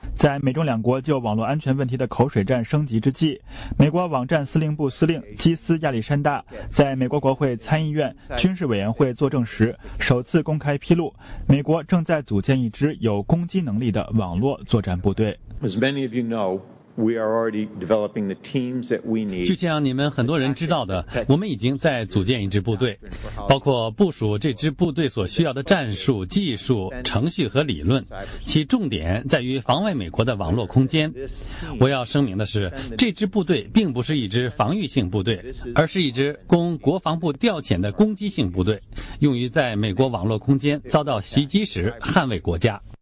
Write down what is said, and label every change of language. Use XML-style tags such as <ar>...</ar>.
<zh>在美中两国就网络安全问题的口水战升级之际，美国网站司令部司令基斯亚历山大在美国国会参议院军事委员会作证时首次公开披露，美国正在组建一支有攻击能力的网络作战部队。</zh> <en>As many of you know, We are already developing the teams that we need.</en> <zh>就像你们很多人知道的，我们已经在组建一支部队，包括部署这支部队所需要的战术、技术、程序和理论，其重点在于防卫美国的网络空间。我要声明的是，这支部队并不是一支防御性部队，而是一支供国防部调遣的攻击性部队，用于在美国网络空间遭到袭击时捍卫国家。</zh>